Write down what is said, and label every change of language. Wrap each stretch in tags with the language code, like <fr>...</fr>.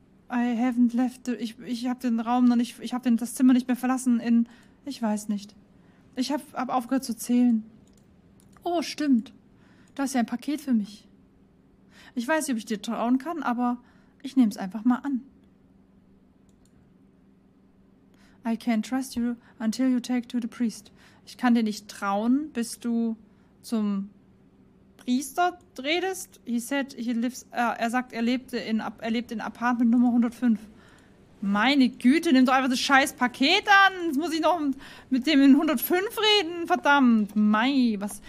<en>I haven't left the...</en> <de>Ich habe den Raum noch nicht... Ich habe das Zimmer nicht mehr verlassen in... Ich weiß nicht. Ich hab aufgehört zu zählen. Oh, stimmt. Da ist ja ein Paket für mich. Ich weiß nicht, ob ich dir trauen kann, aber ich nehme es einfach mal an.</de> <en>I can't trust you until you take to the priest.</en> <de>Ich kann dir nicht trauen, bis du zum Priester redest.</de> <en>He said he lives,</en> <de>er sagt, er lebt in Apartment Nummer 105. Meine Güte, nimm doch einfach das scheiß Paket an. Jetzt muss ich noch mit dem in 105 reden. Verdammt. Mei, was?</de>